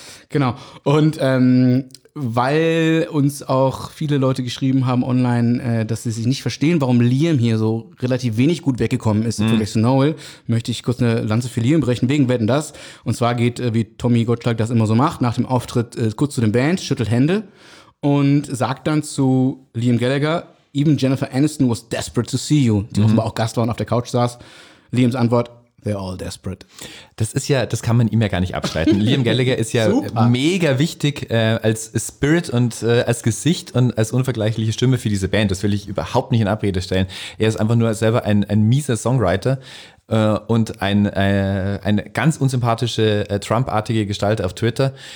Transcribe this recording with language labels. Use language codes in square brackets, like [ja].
[de] Genau, und weil uns auch viele Leute geschrieben haben online, dass sie sich nicht verstehen, warum Liam hier so relativ wenig gut weggekommen ist im Vergleich zu Noel, möchte ich kurz eine Lanze für Liam brechen, wegen Wetten, dass. Und zwar geht, wie Tommy Gottschalk das immer so macht, nach dem Auftritt kurz zu den Bands, schüttelt Hände und sagt dann zu Liam Gallagher, [en] even Jennifer Aniston was desperate to see you, [de] die offenbar auch Gast war und auf der Couch saß. Liams Antwort, [en] they're all desperate. [de] Das ist ja, das kann man ihm ja gar nicht abstreiten. Liam Gallagher ist ja mega wichtig als Spirit und als Gesicht und als unvergleichliche Stimme für diese Band. Das will ich überhaupt nicht in Abrede stellen. Er ist einfach nur selber ein mieser Songwriter und eine ganz unsympathische Trump-artige Gestalt auf Twitter.